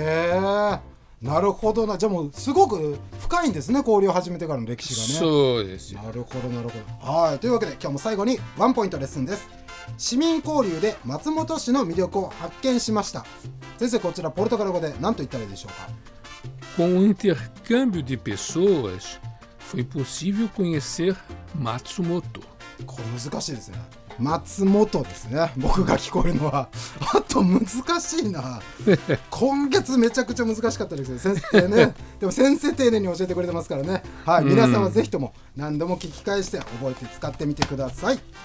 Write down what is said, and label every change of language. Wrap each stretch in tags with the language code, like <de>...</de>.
<ja>なるほどな。じゃあもうすごく深いんですね、交流を始めてからの歴史がね。そうですよ。なるほどなるほど。はい、というわけで今日も最後にワンポイントレッスンです。市民交流で松本市の魅力を発見しました。先生こちらポルトガル語で何と言ったらいいでしょうか。</ja> <pt>Com o intercâmbio de pessoas foi possível conhecer Matsumoto。</pt> <ja>これ難しいですね。松本ですね、僕が聞こえるのは。あと難しいな今月めちゃくちゃ難しかったですよ先生ね。でも先生丁寧に教えてくれてますからね、はい、皆さんはぜひとも何度も聞き返して覚えて使ってみてください。</ja>